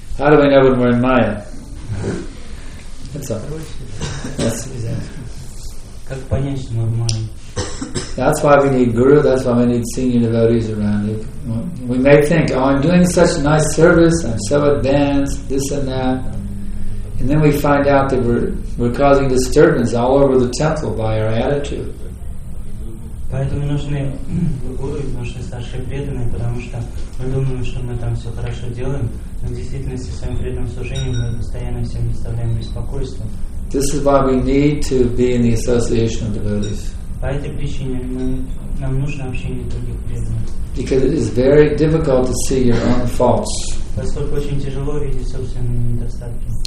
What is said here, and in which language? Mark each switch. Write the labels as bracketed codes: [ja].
[en] how do we know when we're in Maya? That's why we need guru, that's why we need senior devotees around. We may think, oh, I'm doing such nice service, I'm so advanced, this and that, and then we find out that we're causing disturbance all over the temple by our attitude. [ru] Поэтому нужны гуру и нужны старшие преданные, потому что мы думаем, что мы там все хорошо делаем, но в действительности своим преданным служением мы постоянно всем доставляем беспокойство. [en] This is why we need to be in the association of devotees. [ru] По этой причине нам нужно общение других преданных. [en] Because it is very difficult to see your own faults. [ru] Поскольку очень тяжело видеть собственные недостатки.